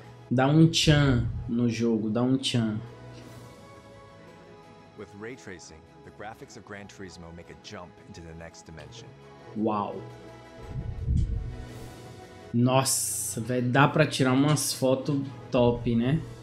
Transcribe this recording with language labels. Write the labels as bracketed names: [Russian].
[Portuguese] Dá um tchan no jogo, dá um tchan. [English] With ray tracing, the graphics of Gran Turismo make a jump into the next dimension. [Portuguese] Uau. Nossa, velho, dá pra tirar umas fotos top, né?